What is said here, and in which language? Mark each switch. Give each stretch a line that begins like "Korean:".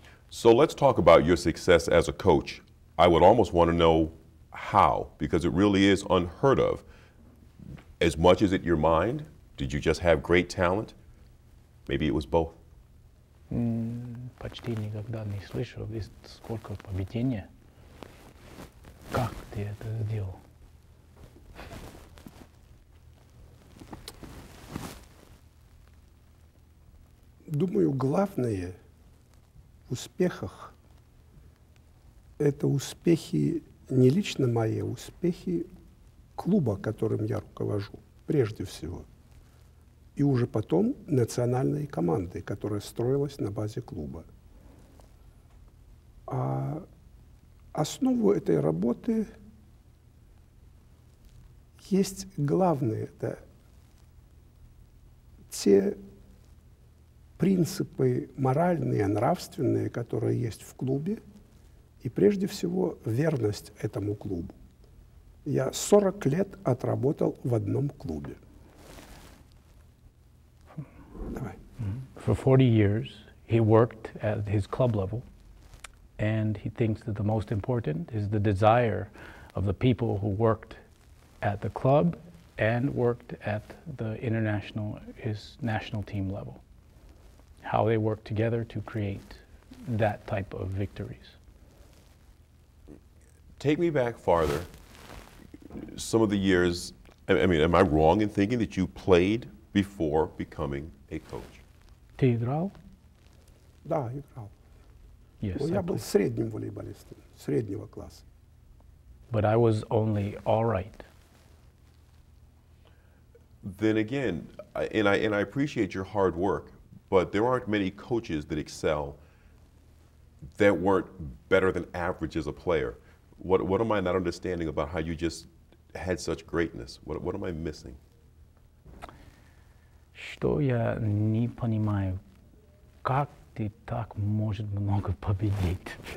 English: So let's talk about your success as a coach. I would almost want to know how, because it really is unheard of. As much as it your mind, did you just have great talent? Maybe it was both.
Russian: Почти никогда не слышал, сколько победений. Как ты это сделал? Думаю, главное в успехах – это успехи не лично мои, а успехи клуба, которым я руковожу, прежде всего. И уже потом национальной команды, которая строилась на базе клуба. А основу этой работы есть главное – это те принципы моральные, нравственные, которые есть в клубе, и прежде всего верность этому клубу. Я 40 лет отработал в одном клубе. Давай.
English: For 40 years he worked at his club level, and he thinks that the most important is the desire of the people who worked at the club and worked at the international, his national team level. How they work together to create that type of victories. Take me back farther. Some of the years, I mean, am I wrong in thinking that you played before becoming a coach?
Russian: Ты играл? Да, играл.
English: Yes,
Russian: я был средним волейболистом, среднего класса.
English: But I was only all right. Then again, I appreciate your hard work, but there aren't many coaches that excel that weren't better than average as a player. What am I not understanding about how you just had such greatness? What am I missing?
Russian: Что я не понимаю, как ты так можешь много победить?